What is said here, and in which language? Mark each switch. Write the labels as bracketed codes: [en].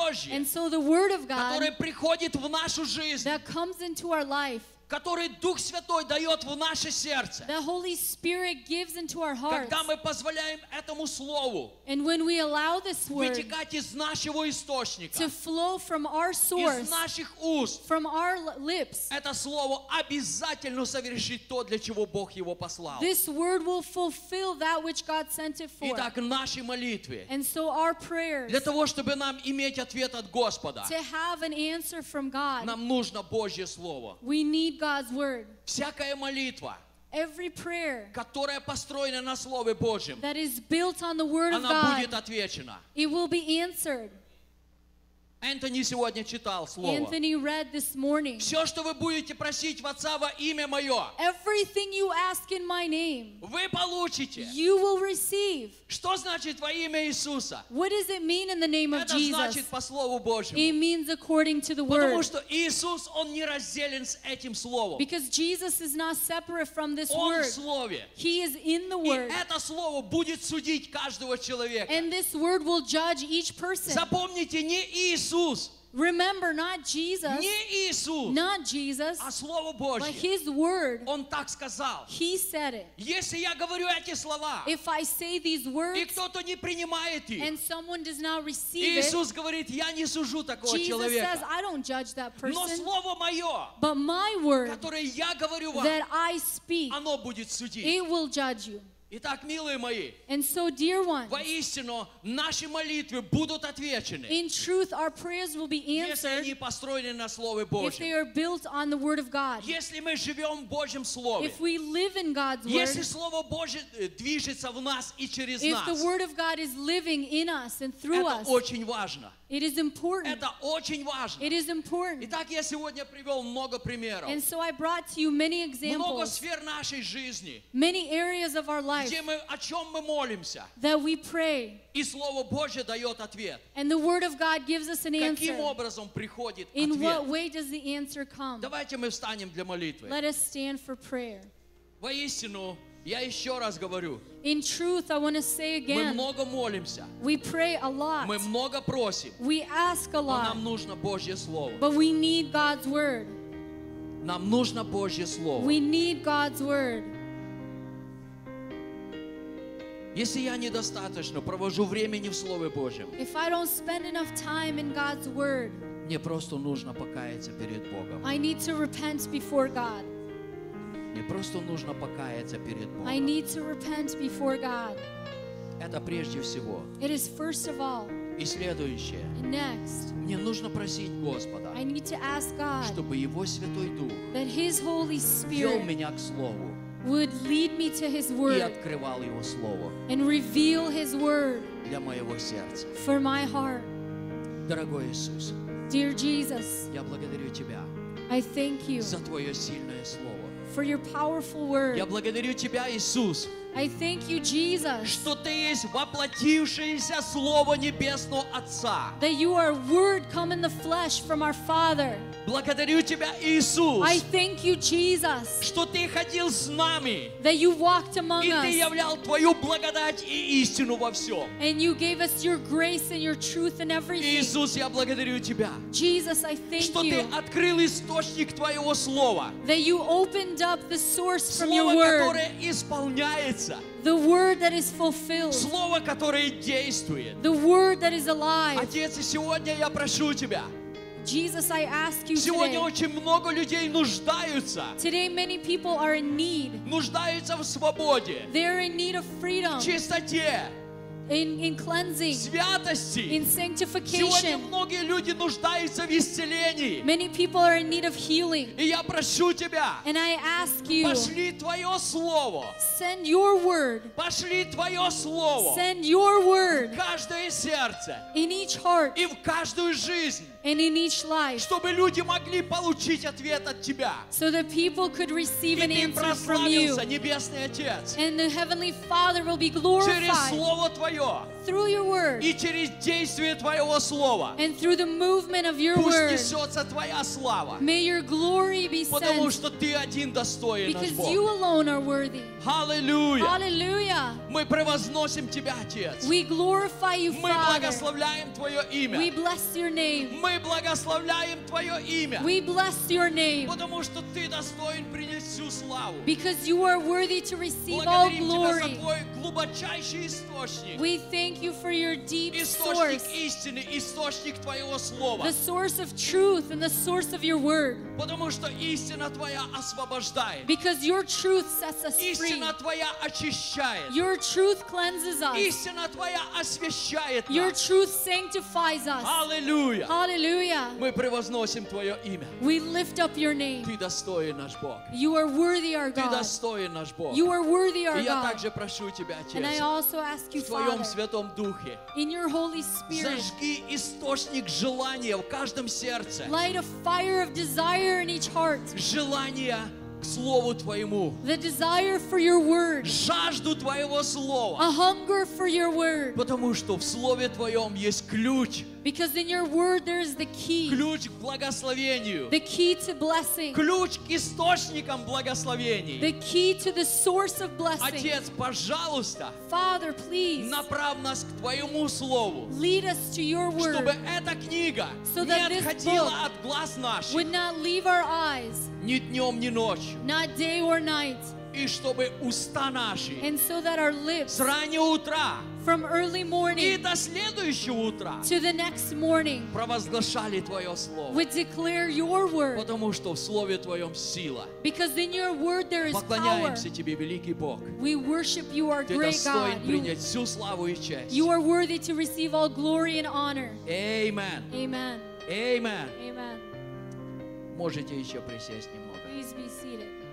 [en] And so the word of God that comes into our life, [ru] который Дух Святой дает в наше сердце. [en] The Holy Spirit gives into our hearts. [ru] Когда мы позволяем этому слову [en] and when we allow this word [ru] вытекать из нашего источника, [en] to flow from our source, [ru] из наших уст, [en] from our lips, [ru] это слово обязательно совершит то, для чего Бог его послал. [en] This word will fulfill that which God sent it for. [ru] Итак, наши молитвы, [en] and so our prayers, [ru] для того, чтобы нам иметь ответ от Господа, [en] to have an answer from God, [ru] нам нужно Божье слово. [en] We need God's word. [ru] Всякая молитва, [en] every prayer, [ru] которая построена на слове Божьем, [en] that is built on the word of God, [ru] она будет отвечена. [en] It will be answered. [ru] Энтони сегодня читал слово. [en] Anthony read this morning. [ru] Все, что вы будете просить в Отца во имя Мое, [en] everything you ask in my name, [ru] вы получите. [en] You will receive. [ru] Что значит во имя Иисуса? [en] What does it mean in the name of Jesus? [ru] Это значит по слову Божьему. [en] It means according to the word. [ru] Потому что Иисус, он не разделен с этим словом. [en] Because Jesus is not separate from this word. [ru] Он в слове. [en] He is in the word. [ru] И это слово будет судить каждого человека. [en] And this word will judge each person. [ru] Запомните, не Иисус. [en] Remember, not Jesus. [ru] Не Иисус. [en] Not Jesus. [ru] А слово Божье. [en] But His word. [ru] Он так сказал. [en] He said it. [ru] Если я говорю эти слова, [en] if I say these words, [ru] и кто-то не принимает их, [en] and someone does not receive [ru] Иисус [en] it, [ru] говорит, я не сужу такого [en] Jesus [ru] человека. [en] Jesus says, I don't judge that person. [ru] Но слово мое, [en] but my word, [ru] которое я говорю вам, [en] that I speak, [ru] оно будет судить. [en] It will judge you. [ru] Итак, милые мои, [en] and so, dear ones, [ru] воистину, наши молитвы будут отвечены, [en] in truth, our prayers will be answered, [ru] если они построены на Слове Божьем, [en] if they are built on the word of God, [ru] если мы живем в Божьем Слове, [en] if we live in God's word, [ru] если Слово Божье движется в нас и через [en] if [ru] нас, [en] the word of God is living in us and through [ru] это [en] us, [ru] очень важно. [en] It is important. [ru] Это очень важно. [en] It is important. [ru] Итак, я сегодня привел много примеров. [en] And so I brought to you many examples. [ru] Много сфер нашей жизни. [en] Many areas of our life. [ru] Где мы, о чем мы молимся. [en] That we pray. [ru] И Слово Божье дает ответ. [en] And the word of God gives us an [ru] каким [en] answer. [ru] Каким образом приходит ответ? [en] In what way does the answer come? [ru] Давайте мы встанем для молитвы. [en] Let us stand for prayer. [ru] Воистину, я еще раз говорю, [en] in truth, I want to say again, [ru] мы много молимся, [en] we pray a lot, [ru] мы много просим, [en] we ask a lot, [ru] но нам нужно Божье слово, [en] but we need God's word. [ru] Нам нужно Божье слово. [en] We need God's word. [ru] Если я недостаточно провожу времени в Слове Божьем, [en] if I don't spend enough time in God's word, [ru] мне просто нужно покаяться перед Богом. [en] I need to repent before God. [ru] Мне просто нужно покаяться перед Богом. [en] I need to repent before God. [ru] Это прежде всего. [en] It is first of all. [ru] И следующее. [en] And next. [ru] Мне нужно просить Господа. [en] I need to ask God. [ru] Чтобы Его Святой Дух. [en] That His Holy Spirit. [ru] Вел меня к Слову. [en] Would lead me to His Word. [ru] И открывал Его Слово. [en] And reveal His Word. [ru] Для моего сердца. [en] For my heart. [ru] Дорогой Иисус. [en] Dear Jesus. [ru] Я благодарю Тебя. [en] I thank You. [ru] За Твое сильное Слово. [en] For your powerful word. [ru] Я благодарю Тебя, Иисус. [en] I thank you, Jesus. [ru] Что Ты есть воплотившееся Слово Небесного Отца. [en] That you are word come in the flesh from our Father. [ru] Благодарю Тебя, Иисус. [en] I thank you, Jesus. [ru] Что Ты ходил с нами. [en] That you walked among us. [ru] И Ты являл Твою благодать и истину во всем. [en] And you gave us your grace and your truth in everything. [ru] Иисус, я благодарю Тебя. [en] Jesus, I thank [ru] что [en] you. [ru] Что Ты открыл источник Твоего Слова. [en] That you opened up the source from [ru] слово, [en] your word. [ru] Слово, которое исполняется. [en] The word that is fulfilled. [ru] Слово, которое действует. [en] The word that is alive. [ru] Отец, и сегодня я прошу Тебя. [en] Jesus, I ask you [ru] сегодня [en] today. [ru] Сегодня очень много людей нуждаются. [en] Today many people are in need. [ru] Нуждаются в свободе. [en] They are in need of freedom. [ru] В чистоте. [en] in cleansing, [ru] святости. [en] In sanctification. [ru] Сегодня многие люди нуждаются в исцелении. [en] Many people are in need of healing. [ru] И я прошу тебя, [en] and I ask you, [ru] пошли твое слово. [en] Send your word. [ru] Пошли твое слово. [en] Send your word. [ru] В каждое сердце. [en] In each heart. [ru] И в каждую жизнь. [en] And in each life. [ru] Чтобы люди могли получить ответ от тебя. [en] So that people could receive an answer from you. [ru] И ты прославился, небесный отец. [en] And the heavenly Father will be glorified. [ru] Через слово твое. [en] Through your word. [ru] И через действие твоего слова. [en] And through the movement of your word. [ru] Пусть несется твоя слава. [en] May your glory be sent. [ru] Потому что ты один достоин, наш Бог. [en] Because you alone are worthy. Hallelujah. Hallelujah. [ru] Мы превозносим тебя, отец. [en] We glorify you, Father. [ru] Мы благословляем твое имя. [en] We bless your name. [ru] Мы благословляем твое имя. [en] We bless your name. [ru] Потому что ты достоин принять всю славу. [en] Because you are worthy to receive all glory. [ru] Благодарим тебя за твой глубочайший источник. [en] We thank you for your deep source. [ru] Источник истины, источник твоего слова. [en] The source of truth and the source of your word. [ru] Потому что истина твоя освобождает. [en] Because your truth sets us free. [ru] Истина твоя очищает. [en] Your truth cleanses us. [ru] Истина твоя освящает нас. [en] Your truth sanctifies us. Hallelujah. Hallelujah. [ru] Мы превозносим твое имя. [en] We lift up your name. [ru] Ты достоин, наш Бог. [en] You are worthy, our God. [ru] Ты достоин, наш Бог. [en] You are worthy, our God. [ru] И я также прошу тебя, Отец. [en] And I also ask you, [ru] в твоем Святом Духе. [en] In your Holy Spirit. [ru] Зажги источник желания в каждом сердце. [en] Light a fire of desire in each heart. [ru] Желание к слову твоему. [en] The desire for your word. [ru] Жажду твоего слова. [en] A hunger for your word. [ru] Потому что в слове твоем есть ключ. [en] Because in your word there is the key. [ru] Ключ к благословению. [en] The key to blessing. [ru] Ключ к источникам благословений. [en] The key to the source of blessing. [ru] Отец, пожалуйста. [en] Father, please. [ru] Направь нас к твоему слову. [en] Lead us to your word. [ru] Чтобы эта книга [en] so [ru] не отходила от глаз наших. [en] Would not leave our eyes. [ru] Ни днем, ни ночью. [en] Not day or night. [ru] И чтобы уста наши. [en] And so that our lips. [ru] С раннего утра. [en] From early morning. [ru] И до следующего утра. [en] To the next morning. [ru] Провозглашали твое слово. [en] We declare your word. [ru] Потому что в слове твоем сила. [en] Because in your word there is power. [ru] Поклоняемся тебе, великий Бог. [en] We worship you, our great God. [ru] Ты достоин принять всю славу и честь. [en] You are worthy to receive all glory and honor. Amen. Amen. Amen. Amen. [ru] Можете еще присесть немного. [en] Please be seated.